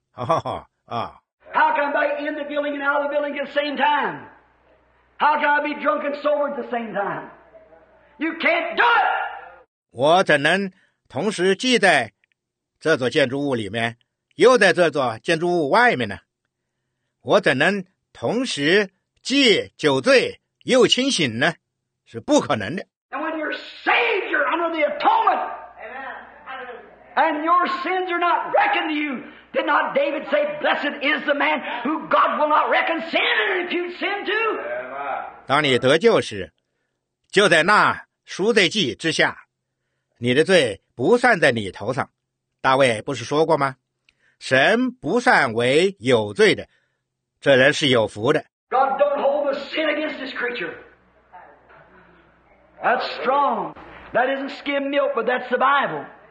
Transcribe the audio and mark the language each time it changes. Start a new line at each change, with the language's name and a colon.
English: How can I be in the building and out of the building at the same time? How can I be drunk and sober at the same time? You can't do it!
Chinese: 我怎能同时既在这座建筑物里面，又在这座建筑物外面呢？我怎能同时既酒醉又清醒呢？是不可能的。
English: And when you're saved, you're under the atonement. And your sins are not reckoned to you. Did not David say, blessed is the man who God will not reckon sin and impute sin to?
Chinese: 当你得救时，就在那赎罪祭之下，你的罪不算在你头上。大卫不是说过吗？神不算为有罪的，这人是有福的。
English: God don't hold the sin against this creature. That's strong. That isn't skim milk, but that's the Bible.